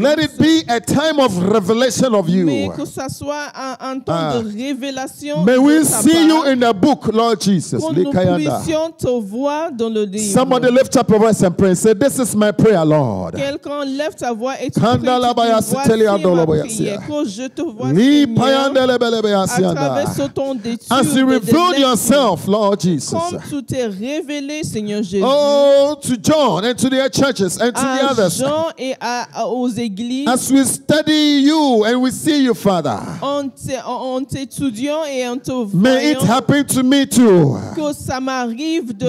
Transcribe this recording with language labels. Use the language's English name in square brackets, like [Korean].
[English] Let it be a time of revelation of you. [French] Mais que ça soit un temps de révélation. [English] May we see you in the book, Lord Jesus. [French] Que nous puissions te voir dans le livre. [English] Somebody lift up your voice and pray. Say, this is my prayer, Lord. [French] Quelqu'un lève ta voix et tu pries. Que je te vois, Seigneur. À travers ce temps d'étude. [English] As you reveal yourself, Lord Jesus. [French] Comme tu t'es révélé, Seigneur Jésus. [English] Oh, to John and to their churches and to [French] à [English] the others. [French] Jean et aux églises. [English] As we study you and we see you, Father. [French] En t'étudiant et en te voyant. [English] May it happen to me too. [French] Que ça m'arrive de